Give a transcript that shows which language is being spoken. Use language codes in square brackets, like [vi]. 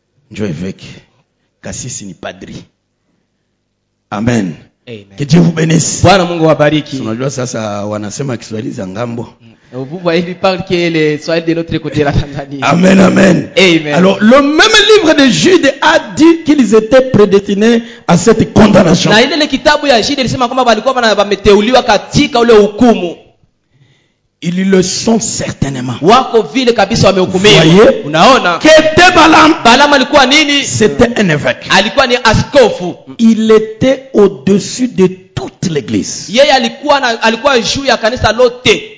[sw] Njoo évêque. Kasisi ni padri. Amen. Amen. [fr] Que Dieu vous bénisse. [sw] Bwana Mungu wabariki. Tunajua sasa wanasema Kiswahili za ngambo. [fr] Vous il parle que le Kiswahili de l'autre côté de la Tanzanie. Amen, amen. Amen. Alors le même livre de Jude a dit qu'ils étaient prédestinés à cette condamnation. [sw] Na ile kitabu ya Jude ilisema kwamba walikuwa wameteuliwa katika ule hukumu. [fr] Ils le sont certainement. [sw] Wako vile kabisa wamehukumiwa. [fr] Voyez, [sw] unaona? [fr] Qu'était Balaam? [sw] Balaam alikuwa nini? [fr] C'était un évêque. [sw] Alikuwa ni askofu. [fr] Il était au-dessus de toute l'église. [sw] Yeye alikuwa juu ya kanisa lote.